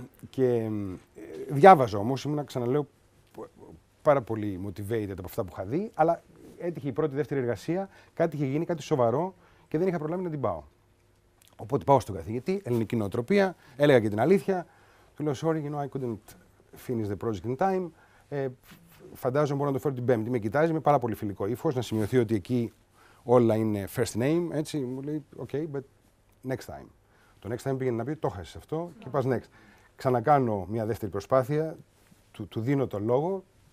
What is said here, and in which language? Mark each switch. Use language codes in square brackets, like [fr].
[el] Και διάβαζα όμως, ήμουν, ξαναλέω, πάρα πολύ motivated από αυτά που είχα δει, αλλά έτυχε η πρώτη-δεύτερη εργασία, κάτι είχε γίνει, κάτι σοβαρό και δεν είχα προλάβει να την πάω. Οπότε πάω στον καθηγητή, ελληνική νοοτροπία, έλεγα και την αλήθεια. Του λέω, [en] sorry, you know, I couldn't finish the project in time. [el] Φαντάζομαι μπορώ να το φέρω την Πέμπτη. Με κοιτάζει με πάρα πολύ φιλικό ύφος, να σημειωθεί ότι εκεί όλα είναι [en] first name. [el] Έτσι, μου λέει, [en] OK, but next time. [el] Το [en] next time [el] πήγαινε να πει, το χάσεις αυτό και πας [en] next. [el] Ξανακάνω μια δεύτερη προσπάθεια, του δίνω το λόγο.